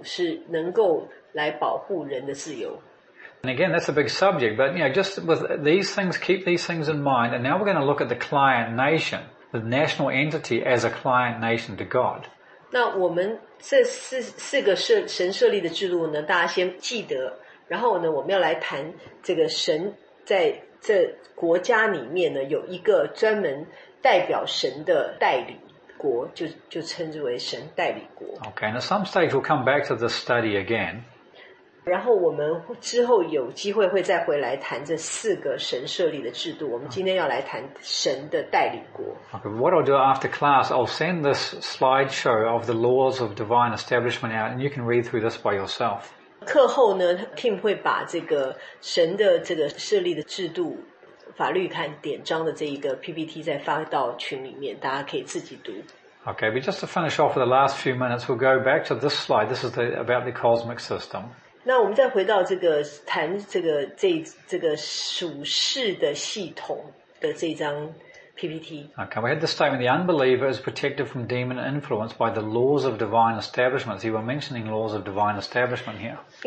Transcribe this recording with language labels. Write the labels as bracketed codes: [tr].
[zh] 而神呢设立的政府是能够来保护人的自由。 [en] And again, that's a big subject, but you know, just with these things, keep these things in mind. And now we're going to look at the client nation, the national entity as a client nation to God. [zh] 那我们这四个神设立的制度呢，大家先记得。然后呢，我们要来谈这个神。在这国家里面呢，有一个专门代表神的代理国， 就称之为神代理国。 [en] Okay, and at some stage we'll come back to this study again. [zh] 然后我们之后有机会会再回来谈这四个神设立的制度， 我们今天要来谈神的代理国。 [en] Okay, what I'll do after class, I'll send this slideshow of the laws of divine establishment out, and you can read through this by yourself. [zh] 课后呢, Tim 会把这个神的这个设立的制度法律看典章的这一个 PPT 再发到群里面, 大家可以自己读。 [en] Okay, but just to finish off for the last few minutes, we'll go back to this slide. This is about the cosmic system. [zh] 那我们再回到这个谈这个属世的系统的这张 PPT. [en] Okay, we had the statement, the unbeliever is protected from demon influence by the laws of divine establishments. You were mentioning laws of divine establishment here.